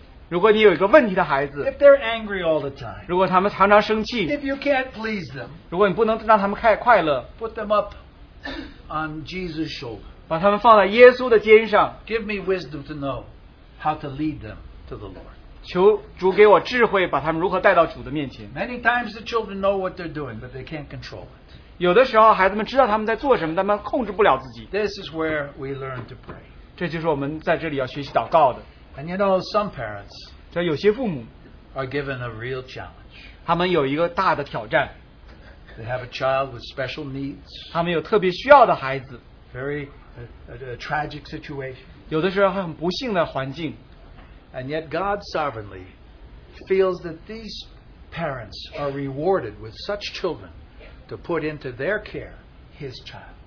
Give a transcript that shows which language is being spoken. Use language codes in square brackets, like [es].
[zh] 如果你有一个问题的孩子, [en] if they're angry all the time, [zh] 如果他们常常生气, [en] if you can't please them, [zh] 如果你不能让他们快乐, [en] put them up on Jesus' shoulder. [zh] 把他们放在耶稣的肩上, [en] give me wisdom to know how to lead them to the Lord. [zh] 求主给我智慧把他们如何带到主的面前。 [en] Many times the children know what they're doing, but they can't control it. [zh] 有的时候孩子们知道他们在做什么, 但他们控制不了自己。 [en] This is where we learn to pray. [zh] 这就是我们在这里要学习祷告的。 [en] And you know, some parents, [zh] 这有些父母, [en] are given a real challenge. [zh] 他们有一个大的挑战。 [en] They have a child with special needs. [zh] 他们有特别需要的孩子。 [en] Very a tragic situation. [zh] 有的时候很不幸的环境。 [en] And yet God sovereignly feels that these parents are rewarded with such children to put into their care his child.